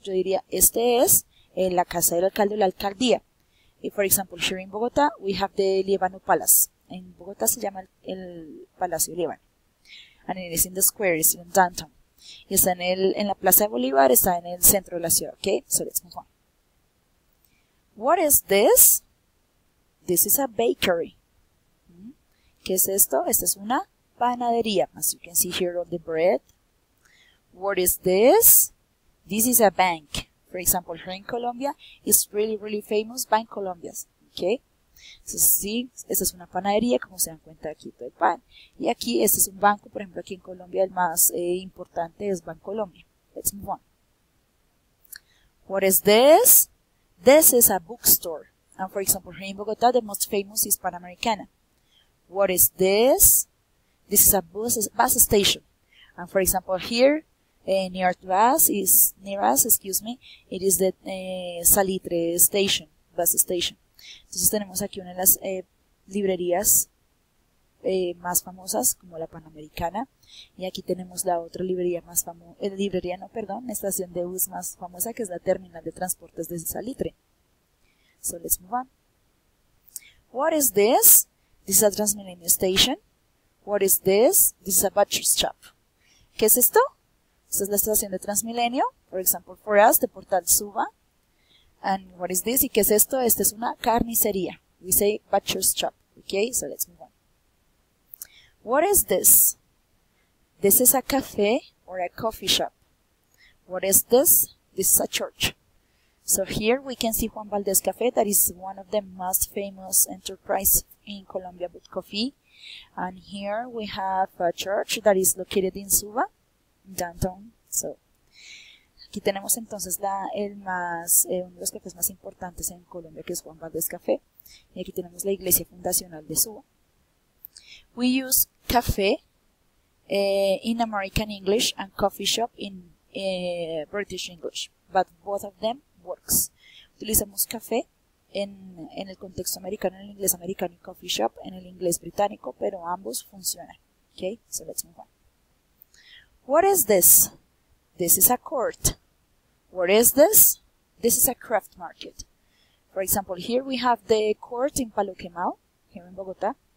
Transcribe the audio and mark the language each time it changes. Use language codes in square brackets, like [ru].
[es] Yo diría, este es la casa del alcalde o la alcaldía. [en] If, for example, here in Bogotá, we have the Líbano Palace. [es] En Bogotá se llama el Palacio de Líbano. [en] And it is in the square, it's in downtown. [es] Y está en la Plaza de Bolívar, está en el centro de la ciudad. [en] Okay, so let's move on. What is this? This is a bakery. [es] ¿Qué es esto? Esta es una panadería. [en] As you can see here on the bread. What is this? This is a bank. For example, here in Colombia, it's really, really famous Bank Colombia. Okay? [es] So, sí, esta es una panadería, como se dan cuenta aquí todo el pan. Y aquí, este es un banco, por ejemplo, aquí en Colombia, el más importante es Bank Colombia. [en] Let's move on. What is this? This is a bookstore. And for example, here in Bogotá, the most famous is Panamericana. What is this? This is a bus station. And for example, here, near us, it is the Salitre station, bus station. [es] Entonces tenemos aquí una de las librerías más famosas, como la Panamericana. Y aquí tenemos la otra librería más famosa, estación de bus más famosa, que es la terminal de transportes de Salitre. [en] So let's move on. What is this? This is a Transmilenio station. What is this? This is a butcher's shop. [es] ¿Qué es esto? Esta es la estación de Transmilenio. [en] For example, for us, the portal Suba. And what is this? [es] ¿Y qué es esto? Esta es una carnicería. [en] We say butcher's shop. Okay, so let's move on. What is this? This is a café or a coffee shop. What is this? This is a church. So here we can see Juan Valdez Café. That is one of the most famous enterprise in Colombia with coffee. And here we have a church that is located in Suba, downtown. [es] So aquí tenemos entonces uno de los cafés más importantes en Colombia, que es Juan Valdez Café. Y aquí tenemos la iglesia fundacional de Suba. [en] We use café in American English and coffee shop in British English, but both of them works. [es] Utilizamos café en el contexto americano, en el inglés americano, y coffee shop en el inglés británico, pero ambos funcionan. [en] Okay, so let's move on. What is this? This is a court. What is this? This is a craft market. For example, here we have the court in Palo Quemado, here in Bogotá.